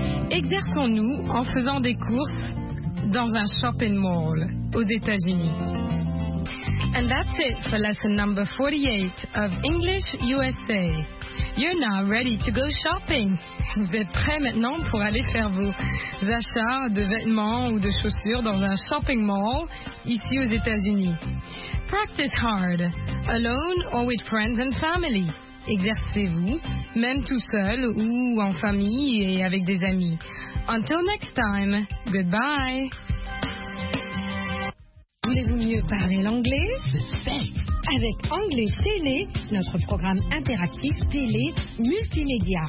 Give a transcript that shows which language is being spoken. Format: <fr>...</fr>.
<fr>exerçons-nous en faisant des courses dans un shopping mall aux États-Unis.</fr> <en>And that's it for lesson number 48 of English USA. You're now ready to go shopping.</en> <fr>Vous êtes prêts maintenant pour aller faire vos achats de vêtements ou de chaussures dans un shopping mall ici aux États-Unis.</fr> <en>Practice hard, alone or with friends and family.</en> <fr>Exercez-vous, même tout seul ou en famille et avec des amis.</fr> <en>Until next time, goodbye.</en> <fr>Voulez-vous mieux parler l'anglais? Avec Anglais Télé, notre programme interactif télé multimédia.</fr>